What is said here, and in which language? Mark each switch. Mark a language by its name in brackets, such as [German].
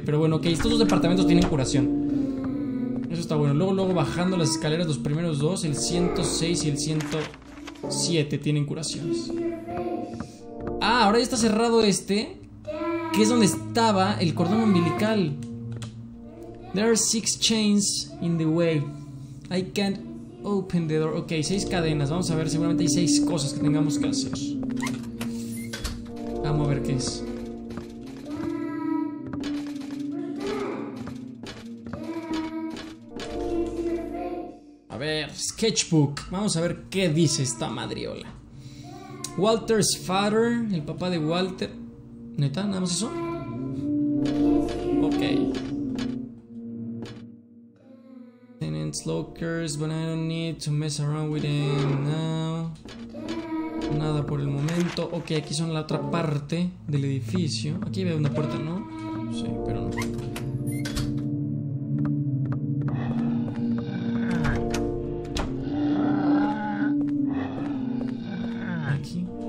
[Spanish] Pero bueno, ok, estos dos departamentos tienen curación. Eso está bueno. Luego bajando las escaleras, los primeros dos, el 106 y el 107 tienen curaciones. Ah, ahora ya está cerrado este, que es donde estaba el cordón umbilical. [English] There are six chains in the way. I can't open the door. Ok, [Spanish] seis cadenas. Vamos a ver, seguramente hay seis cosas que tengamos que hacer. Vamos a ver qué es. A ver, sketchbook. Vamos a ver qué dice esta madriola. [English] Walter's father, [Spanish] el papá de Walter. ¿Neta? ¿Nada más eso? Ok. [English] Lockers, but I don't need to mess around with them now. [Spanish] Nada por el momento. Ok, aquí son la otra parte del edificio. Aquí veo una puerta, ¿no? Sí, pero no. Aquí.